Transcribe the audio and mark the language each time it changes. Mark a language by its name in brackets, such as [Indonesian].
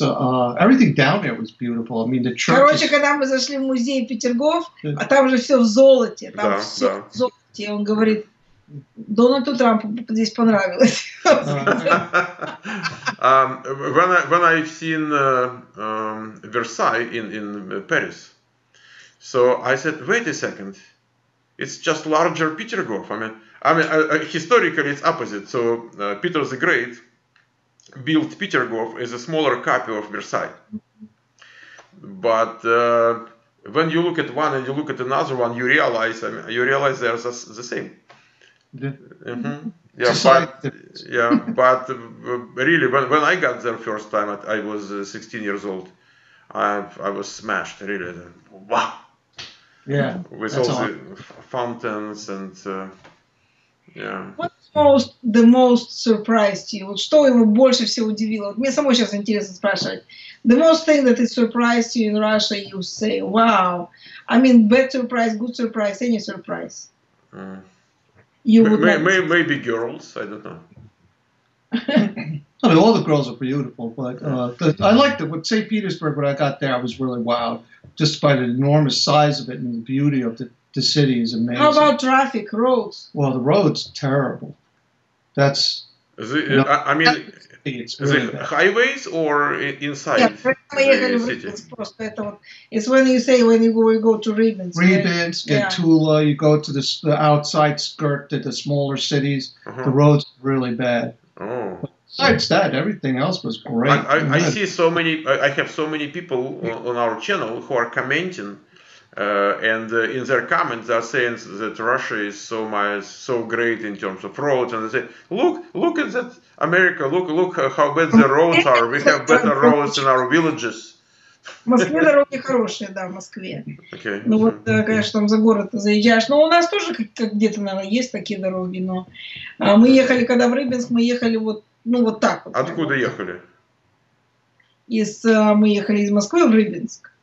[English] Everything down there was beautiful. I mean, the church. [Russian] Короче, когда мы зашли в музей Петергоф, а там же все в золоте, там в золоте. Он говорит, Дональду Трампу здесь понравилось. [English] When I've seen Versailles in Paris, so I said, wait a second, it's just larger Petergof. I mean, historically it's opposite. So Peter the Great built Petergof as a smaller copy of Versailles. But when you look at one and you look at another one, you realize they are the same. But really, when I got there first time, I was 16 years old. I was smashed, really. Wow. Yeah. With all the fountains and. What's most the most surprised you? [Russian] Вот что его больше всего удивило? Мне самой сейчас интересно спрашивать. [English] The most thing that is surprised you in Russia, you say, wow. I mean, bad surprise, good surprise, any surprise. Maybe girls, I don't know. I mean, all the girls are beautiful, but I liked it. With St. Petersburg, when I got there, I was really wowed. Just by the enormous size of it and the beauty of the city is amazing. How about traffic, roads? Well, the road's terrible. That's... highways or inside the city? It's when you say when you go to Rybinsk. Rybinsk, right? Tula, you go to the outside skirt to the smaller cities. Uh-huh. The roads are really bad. Oh. Besides that, everything else was great. I have so many people on our channel who are commenting, and in their comments they're saying that Russia is so great in terms of roads, and they say, look at that America, look how bad the roads are. We have better roads in our villages. [Russian] Москве дороги хорошие, да, в Москве. [English] Okay. [Russian] Ну вот, конечно, там за город заезжаешь. Но у нас тоже где-то, наверное, есть такие дороги, но мы ехали, когда в Рыбинск, мы ехали вот так вот. Откуда ехали? Мы ехали из Москвы в Рыбинск.